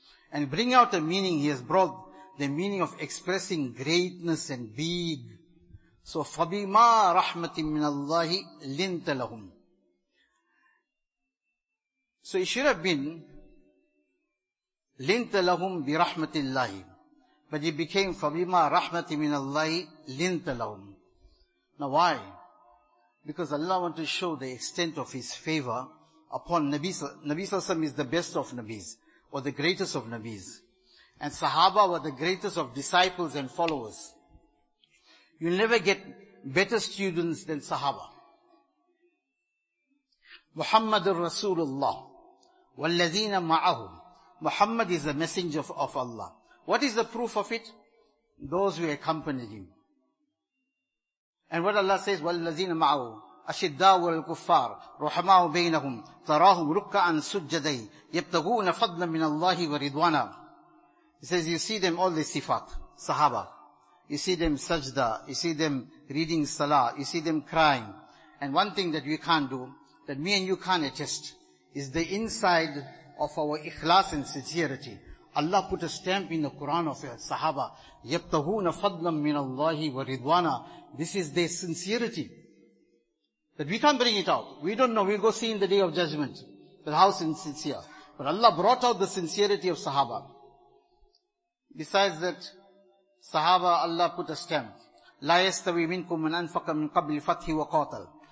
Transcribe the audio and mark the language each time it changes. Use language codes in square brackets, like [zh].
[en] And bring out a meaning, he has brought the meaning of expressing greatness and big. [ar] So, فَبِمَا رَحْمَةٍ مِّنَ اللَّهِ لِنْتَ لَهُمْ. [en] So, it should have been [ar] لِنْتَ لَهُمْ بِرَحْمَةِ اللَّهِ. [en] But it became [ar] فَبِمَا رَحْمَةٍ مِّنَ اللَّهِ لِنْتَ لَهُمْ. [en] Now, why? Because Allah wanted to show the extent of His favor upon Nabi Sallallahu Alaihi Wasallam is the best of Nabis, or the greatest of Nabis. And Sahaba were the greatest of disciples and followers. You'll never get better students than Sahaba. [ar] Muhammadur Rasulullah. Wallazina ma'ahu. [en] Muhammad is the messenger of Allah. What is the proof of it? Those who accompanied him. And what Allah says, [ar] wallazina ma'ahu. أشداؤ والكفار رحماء بينهم تراهم ركعا سجدين يبتغون فضلا من الله ورضوانا. [en] He says, you see them, all the sifat, sahaba. You see them sajda, you see them reading salah, you see them crying. And one thing that we can't do, that me and you can't attest, is the inside of our ikhlas and sincerity. Allah put a stamp in the Quran of sahaba. [ar] يبتغون فضلا من الله ورضوانا. [en] This is their sincerity. That we can't bring it out. We don't know. We'll go see in the day of judgment. But how sincere. But Allah brought out the sincerity of Sahaba. Besides that, Sahaba, Allah put a stamp. [ar] لَا يَسْتَوِي مِنْكُمْ مَنْ أَنْفَقَ مِنْ قَبْلِ فَتْحِ وَقَاتَلْ.